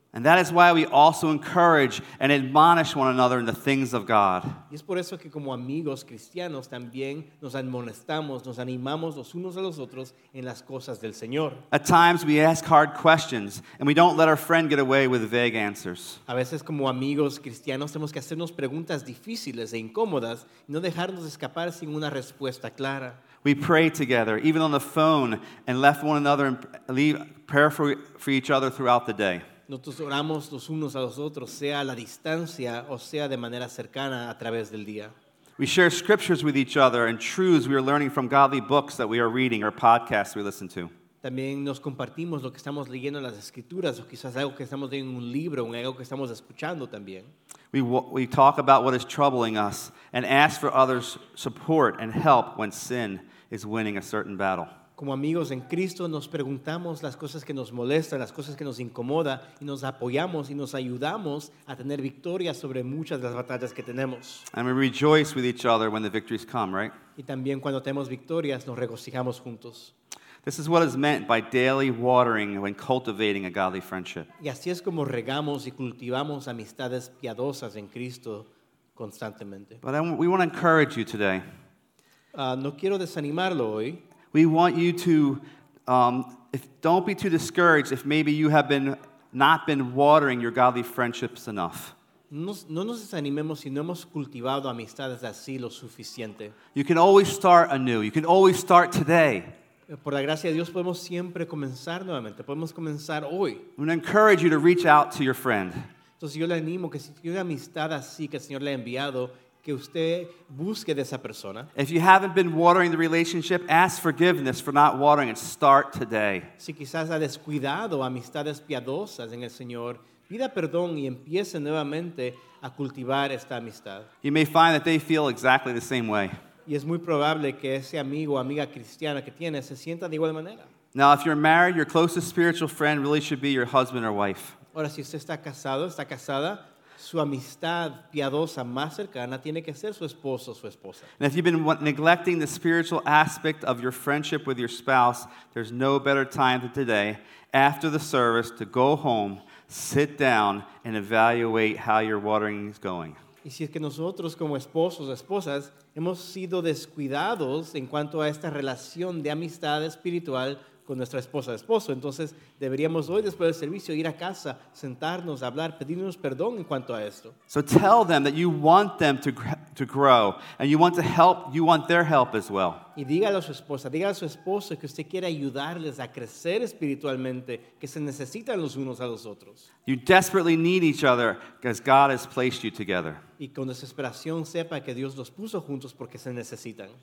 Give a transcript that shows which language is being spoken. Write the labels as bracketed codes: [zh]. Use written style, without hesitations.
[en] And that is why we also encourage and admonish one another in the things of God. [es] Y es por eso que como amigos cristianos también nos admonestamos, nos animamos los unos a los otros en las cosas del Señor. [en] At times we ask hard questions and we don't let our friend get away with vague answers. [es] A veces como amigos cristianos tenemos que hacernos preguntas difíciles e incómodas y no dejarnos escapar sin una respuesta clara. [en] We pray together, even on the phone, and left one another and leave prayer for each other throughout the day. [es] Nosotros oramos los unos a los otros, sea a la distancia o sea de manera cercana a través del día. [en] We share scriptures with each other and truths we are learning from godly books that we are reading or podcasts we listen to. [es] También nos compartimos lo que estamos leyendo en las escrituras o quizás algo que estamos leyendo en un libro o algo que estamos escuchando también. [en] We talk about what is troubling us and ask for others' support and help when sin is winning a certain battle. [es] Como amigos en Cristo, nos preguntamos las cosas que nos molestan, las cosas que nos incomoda, y nos apoyamos y nos ayudamos a tener victoria sobre muchas de las batallas que tenemos. [en] And we rejoice with each other when the victories come, right? [es] Y también cuando tenemos victorias, nos regocijamos juntos. [en] This is what is meant by daily watering when cultivating a godly friendship. [es] Y así es como regamos y cultivamos amistades piadosas en Cristo constantemente. [en] But we want to encourage you today. [es] No quiero desanimarlo hoy. [en] We want you to, don't be too discouraged if maybe you have not been watering your godly friendships enough. [es] No nos desanimemos si no hemos cultivado amistades así lo suficiente. [en] You can always start anew. You can always start today. [es] Por la gracia de Dios podemos siempre comenzar nuevamente. Podemos comenzar hoy. [en] I want to encourage you to reach out to your friend. [es] Entonces yo le animo que si tiene una amistad así que el Señor le ha enviado, que usted busque de esa persona. [en] If you haven't been watering the relationship, ask forgiveness for not watering and start today. [es] Si quizás ha descuidado amistades piadosas en el Señor, pida perdón y empiece nuevamente a cultivar esta amistad. [en] You may find that they feel exactly the same way. [es] Y es muy probable que ese amigo o amiga cristiana que tiene se sienta de igual manera. [en] Now, if you're married, your closest spiritual friend really should be your husband or wife. [es] Ahora, si usted está casado, está casada, su amistad piadosa más cercana tiene que ser su esposo o su esposa. [en] And if you've been neglecting the spiritual aspect of your friendship with your spouse, there's no better time than today, after the service, to go home, sit down, and evaluate how your watering is going. [es] Y si es que nosotros como esposos o esposas hemos sido descuidados en cuanto a esta relación de amistad espiritual con nuestra esposa o esposo, entonces deberíamos hoy después del servicio ir a casa, sentarnos, hablar, pedirnos perdón en cuanto a esto. [en] So tell them that you want them to grow and you want to help, you want their help as well. [es] Y dígale a su esposa, dígale a su esposo que usted quiere ayudarles a crecer espiritualmente, que se necesitan los unos a los otros. [en] You desperately need each other because God has placed you together. [es] Y con desesperación sepa que Dios los puso juntos porque se necesitan.